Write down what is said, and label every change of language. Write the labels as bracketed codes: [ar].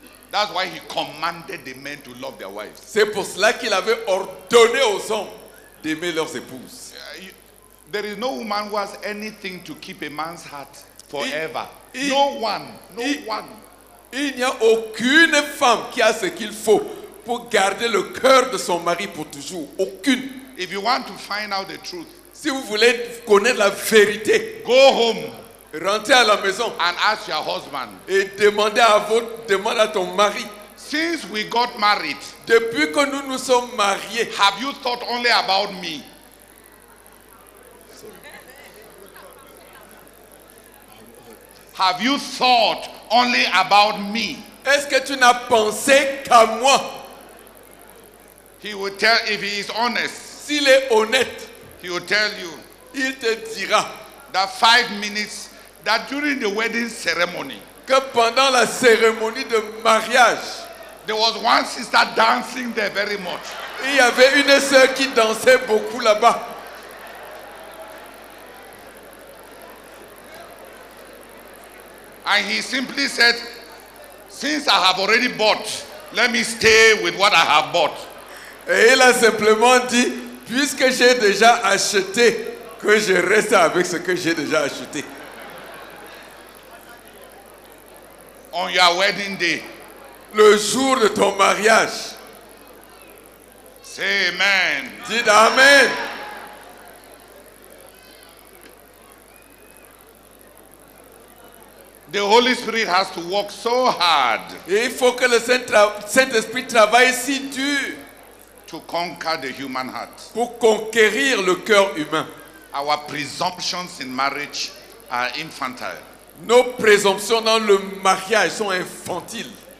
[en] That's why he commanded the men to love their wives. [fr] C'est pour cela qu'il avait ordonné aux hommes d'aimer leurs épouses. [en] There is no woman who has anything to keep a man's heart forever. No one. [fr] Il n'y a aucune femme qui a ce qu'il faut pour garder le cœur de son mari pour toujours. Aucune. [en] If you want to find out the truth, [fr] si vous voulez connaître la vérité, [en] go home. [fr] Rentrez à la maison [en] and ask your husband. [fr] Et demande à ton mari. [en] Since we got married, [fr] depuis que nous nous sommes mariés, [en] have you thought only about me? Have you thought only about me? [fr] Est-ce que tu n'as pensé qu'à moi? [en] He will tell if he is honest. [fr] S'il est honnête, [en] he will tell you. [fr] Il te dira [en] that 5 minutes. That during the wedding ceremony, [fr] que pendant la cérémonie de mariage, [en] there was one sister dancing there very much. [fr] Il y avait une sœur qui dansait beaucoup là-bas. [en] And he simply said, since I have already bought, let me stay with what I have bought. [fr] Et il a simplement dit, puisque j'ai déjà acheté, que je reste avec ce que j'ai déjà acheté. [en] On your wedding day, [fr] le jour de ton mariage, [en] say amen. [fr] Dites amen. [en] The Holy Spirit has to work so hard. [fr] Et il faut que le Saint-Esprit travaille si dur [en] to conquer the human heart. [fr] Pour conquérir le cœur humain. [en] Our presumptions in marriage are infantile. [fr] Nos présomptions dans le mariage sont infantiles.